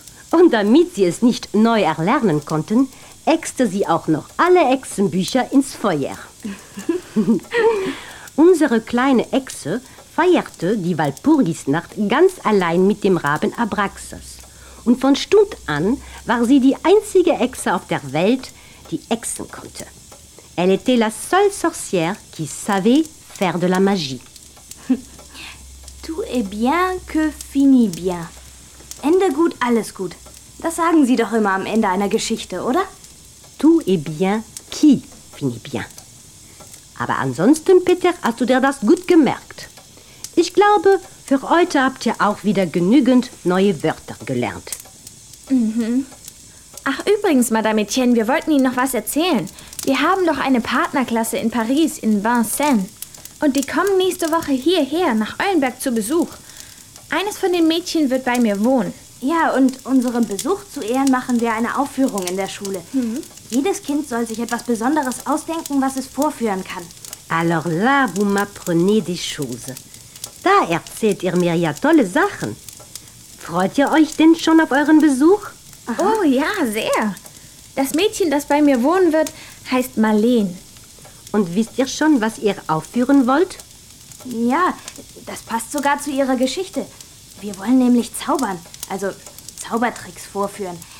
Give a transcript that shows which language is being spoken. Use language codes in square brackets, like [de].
[de] Und damit sie es nicht neu erlernen konnten, hexte sie auch noch alle Hexenbücher ins Feuer. Unsere kleine Hexe feierte die Walpurgisnacht ganz allein mit dem Raben Abraxas. Und von Stund an war sie die einzige Hexe auf der Welt, die hexen konnte. [fr] Elle était la seule sorcière qui savait faire de la magie. Tout est bien que finit bien. [de] Ende gut, alles gut. Das sagen Sie doch immer am Ende einer Geschichte, oder? [fr] Tout est bien qui finit bien. [de] Aber ansonsten, Peter, hast du dir das gut gemerkt. Ich glaube, für heute habt ihr auch wieder genügend neue Wörter gelernt. Mhm. Ach übrigens, Madame Etienne, wir wollten Ihnen noch was erzählen. Wir haben doch eine Partnerklasse in Paris, in Vincennes. Und die kommen nächste Woche hierher, nach Eulenberg, zu Besuch. Eines von den Mädchen wird bei mir wohnen. Ja, und unserem Besuch zu Ehren machen wir eine Aufführung in der Schule. Mhm. Jedes Kind soll sich etwas Besonderes ausdenken, was es vorführen kann. [fr] Alors là, vous m'apprenez des choses. [de] Da erzählt ihr mir ja tolle Sachen. Freut ihr euch denn schon auf euren Besuch? Aha. Oh ja, sehr. Das Mädchen, das bei mir wohnen wird, heißt Marlene. Und wisst ihr schon, was ihr aufführen wollt? Ja, das passt sogar zu ihrer Geschichte. Wir wollen nämlich zaubern, also Zaubertricks vorführen.